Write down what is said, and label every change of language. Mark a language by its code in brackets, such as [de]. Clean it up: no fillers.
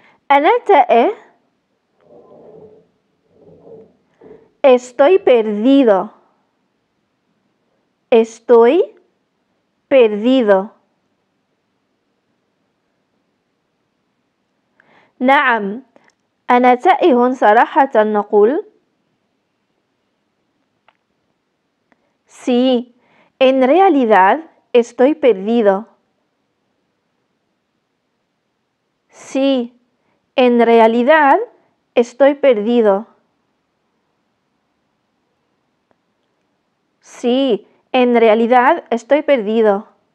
[ar] أنا تائه. [es] estoy perdido estoy perdido. [ar] نعم أنا تائه صراحة، نقول سي. [es] En realidad estoy perdido. Sí, en realidad estoy perdido. Sí, en realidad estoy perdido.